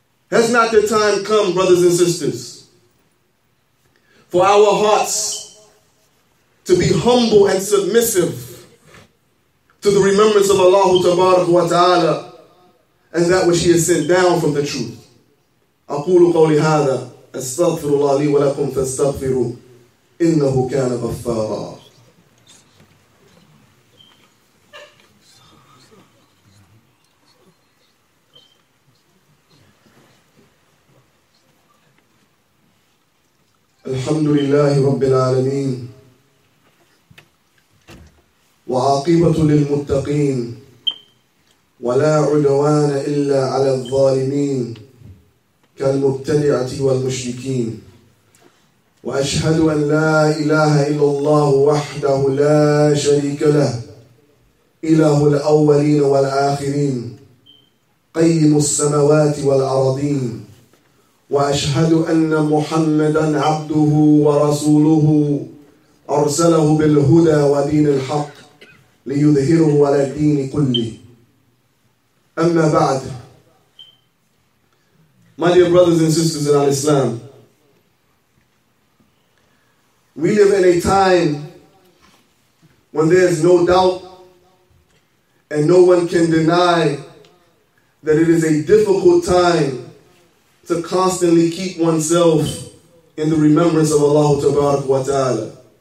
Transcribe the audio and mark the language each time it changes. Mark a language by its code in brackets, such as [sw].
[en] Has not the time come, brothers and sisters, for our hearts to be humble and submissive to the remembrance of Allah Tabaraka wa Ta'ala and that which He has sent down from the truth? [ar] أقول قولي هذا أستغفر الله لي ولكم فاستغفروا إنه كان غفارا. الحمد لله رب العالمين وعاقبة للمتقين ولا عدوان إلا على الظالمين كالمبتدعة والمشركين وأشهد أن لا إله إلا الله وحده لا شريك له إله الأولين والآخرين قيم السماوات والأرضين وأشهد أن محمدًا عبده ورسوله أرسله بالهدى ودين الحق ليظهره على الدين كله. أما بعد, [en] my dear brothers and sisters in Islam, we live in a time when there is no doubt and no one can deny that it is a difficult time to constantly keep oneself in the remembrance of Allah Tabarak wa Ta'ala.